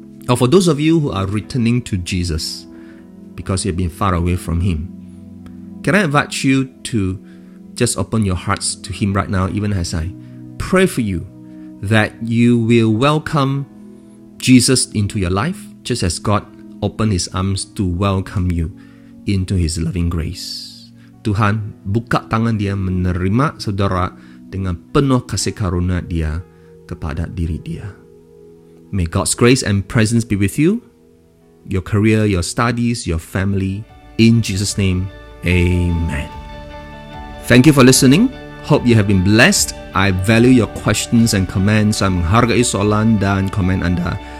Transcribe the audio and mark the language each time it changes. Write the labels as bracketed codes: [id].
[en] Or for those of you who are returning to Jesus because you have been far away from Him, can I invite you to just open your hearts to Him right now, even as I pray for you, that you will welcome Jesus into your life, just as God opened His arms to welcome you into His loving grace. [ms] Tuhan buka tangan dia menerima saudara dengan penuh kasih karunia dia kepada diri dia. [en] May God's grace and presence be with you, your career, your studies, your family. In Jesus' name, amen. Thank you for listening. Hope you have been blessed. I value your questions and comments. [ms] Saya menghargai soalan dan komen anda.